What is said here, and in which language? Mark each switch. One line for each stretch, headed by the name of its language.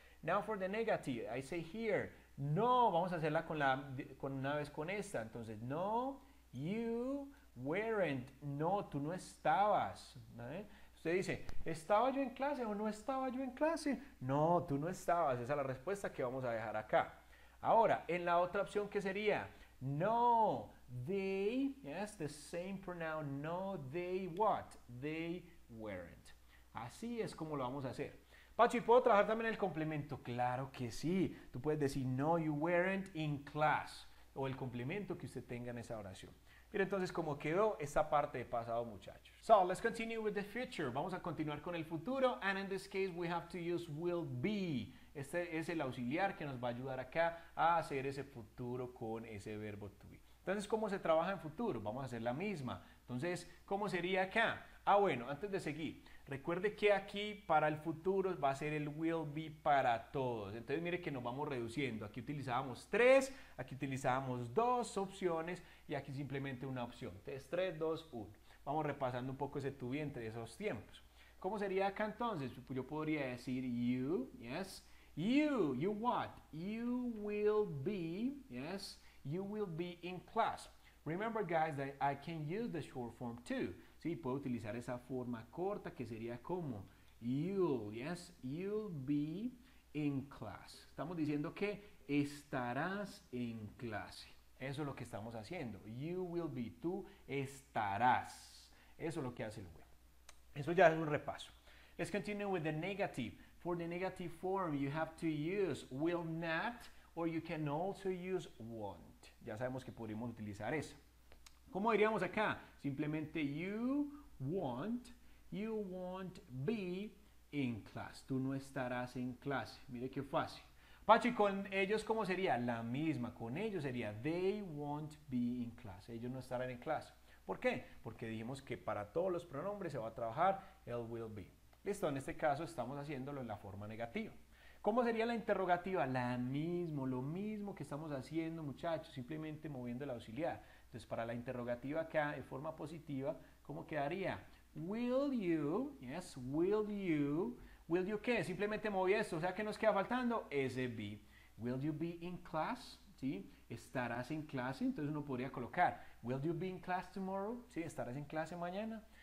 English: Now for the negative, I say here, no,
Spanish: vamos a hacerla con esta. Entonces, no.
English: You weren't,
Spanish: no, tú no estabas. ¿Eh? Usted dice, ¿estaba yo en clase o no estaba yo en clase? No, tú no estabas, esa es la respuesta que vamos a dejar acá. Ahora, en la otra opción, ¿qué sería?
English: No, they, yes, the same pronoun, no, they what? They weren't.
Spanish: Así es como lo vamos a hacer. Pacho, ¿y puedo trabajar también el complemento? Claro que sí, tú puedes decir,
English: no, you weren't in class.
Spanish: O el complemento que usted tenga en esa oración. Mira entonces cómo quedó esta parte de pasado, muchachos.
English: So, let's continue with the future.
Spanish: Vamos a continuar con el futuro.
English: And in this case, we have to use will be.
Spanish: Este es el auxiliar que nos va a ayudar acá a hacer ese futuro con ese verbo to be. Entonces, ¿cómo se trabaja en futuro? Vamos a hacer la misma. Entonces, ¿cómo sería acá? Ah, bueno, antes de seguir. Recuerde que aquí para el futuro va a ser el will be para todos. Entonces mire que nos vamos reduciendo. Aquí utilizábamos tres, aquí utilizábamos dos opciones y aquí simplemente una opción. Entonces 3, 2, 1. Vamos repasando un poco ese to be entre esos tiempos. ¿Cómo sería acá entonces? Yo podría decir you, yes,
English: You what? You will be, yes, you will be in class. Remember, guys, that I can use the short form too.
Spanish: Sí, puedo utilizar esa forma corta que sería como you'll,
English: yes, you'll be in class.
Spanish: Estamos diciendo que estarás en clase. Eso es lo que estamos haciendo.
English: You will be,
Spanish: tú estarás. Eso es lo que hace el will. Eso ya es un repaso.
English: Let's continue with the negative. For the negative form, you have to use will not, or you can also use won't.
Spanish: Ya sabemos que podemos utilizar eso. ¿Cómo diríamos acá?
English: Simplemente you won't be in class.
Spanish: Tú no estarás en clase. Mire qué fácil. Pacho, ¿y con ellos cómo sería? La misma. Con ellos sería
English: they won't be in class.
Spanish: Ellos no estarán en clase. ¿Por qué? Porque dijimos que para todos los pronombres se va a trabajar el will be. Listo, en este caso estamos haciéndolo en la forma negativa. ¿Cómo sería la interrogativa? La misma, lo mismo que estamos haciendo, muchachos, simplemente moviendo el auxiliar. Entonces, para la interrogativa acá, de forma positiva, ¿cómo quedaría?
English: Will you, yes, will you qué?
Spanish: Simplemente moví esto, o sea, ¿qué nos queda faltando?
English: Ese be. Will you be in class? ¿Sí?
Spanish: ¿Estarás en clase? Entonces uno podría colocar,
English: will you be in class tomorrow?
Spanish: ¿Sí? ¿Estarás en clase mañana?